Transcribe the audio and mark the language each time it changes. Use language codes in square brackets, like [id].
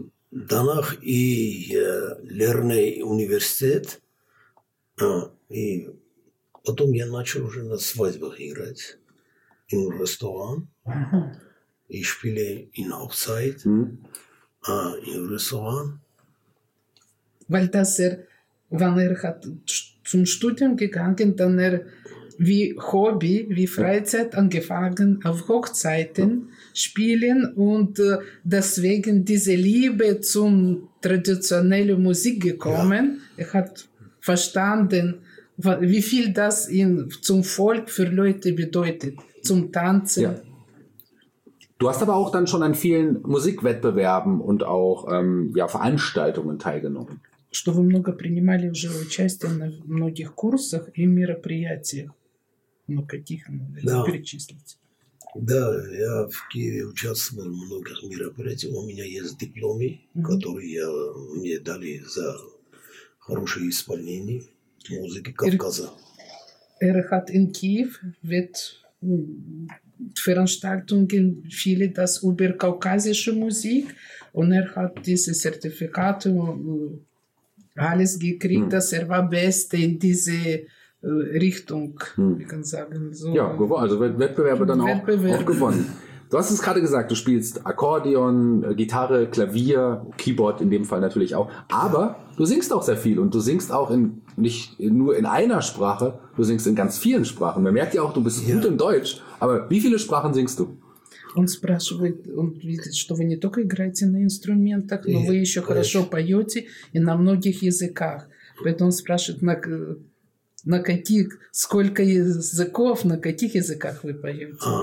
[de] Danach ich lerne Universität. [ru] И потом я начал уже на свадьбах играть. В ресторан. [de] И шпили in Hochzeit. [ru] И в ресторан. [de] Weil das wann hat zum Studium gegangen, dann wie Hobby, wie Freizeit angefangen auf Hochzeiten spielen und deswegen diese Liebe zum traditionellen Musik gekommen. Er hat verstanden, wie viel das in, zum Volk für Leute bedeutet, zum Tanzen. Ja. Du hast aber auch dann schon an vielen Musikwettbewerben und auch Veranstaltungen teilgenommen. [ru] Что вы много принимали уже участие на многих курсах и мероприятиях. Ну, каких надо перечислить? Да, я в Киеве участвовал в многих мероприятиях. У меня есть дипломы, которые мне дали за хорошее исполнение музыки Кавказа. [de] Эрхат in Kiew wird Veranstaltungen viele das über kaukasische Musik und hat diese Zertifikate alles gekriegt, dass war Beste in diese Richtung, wie kann sagen. So ja, also Wettbewerbe dann auch gewonnen. Du hast es gerade gesagt, du spielst Akkordeon, Gitarre, Klavier, Keyboard in dem Fall natürlich auch, aber du singst auch sehr viel und du singst auch in nicht nur in einer Sprache, du singst in ganz vielen Sprachen. Man merkt ja auch, du bist gut im Deutsch, aber wie viele Sprachen singst du? [ru] Он спрашивает, он видит, что вы не только играете на инструментах, но вы еще хорошо поете и на многих языках. Поэтому он спрашивает, на каких, сколько языков, на каких языках вы поете?